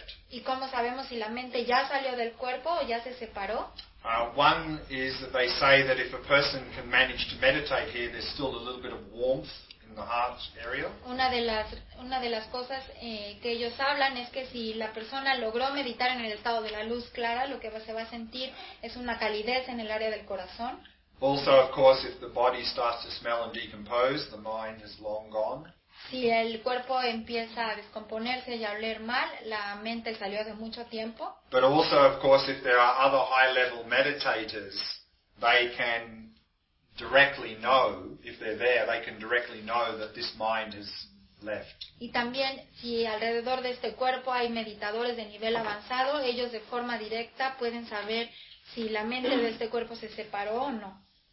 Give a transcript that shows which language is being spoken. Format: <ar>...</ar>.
<es>¿Y cómo sabemos si la mente ya salió del cuerpo o ya se separó?</es> <en>One is that they say that if a person can manage to meditate here, there's still a little bit of warmth in the heart area.</en> <es>Una de las cosas que ellos hablan es que si la persona logró meditar en el estado de la luz clara, lo que se va a sentir es una calidez en el área del corazón.</es> <en>Also, of course, if the body starts to smell and decompose, the mind is long gone.</en> <es>Si el cuerpo empieza a descomponerse y a oler mal, la mente salió de mucho tiempo.</es> <en>But also, of course, if there are other high-level meditators, they can directly know, if they're there, they can directly know that this mind has left.</en> <es>Y también, si alrededor de este cuerpo hay meditadores de nivel avanzado, ellos de forma directa pueden saber si la mente de este cuerpo se separó o no.</es>